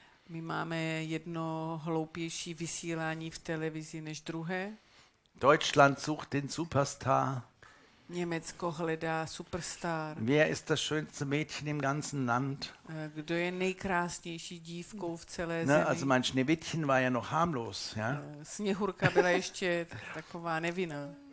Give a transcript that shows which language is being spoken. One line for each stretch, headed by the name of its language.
Czech: My máme jedno hloupější vysílání v televizi než druhé.
German: Deutschland sucht den Superstar.
Czech: Německo hledá superstar.
German: Wer ist das schönste Mädchen im ganzen Land?
Czech: Kdo je nejkrásnější dívkou v celé zemi?
German: Also mein Schneewittchen war ja noch harmlos, ja?
Czech: Sněhurka byla ještě taková nevinná.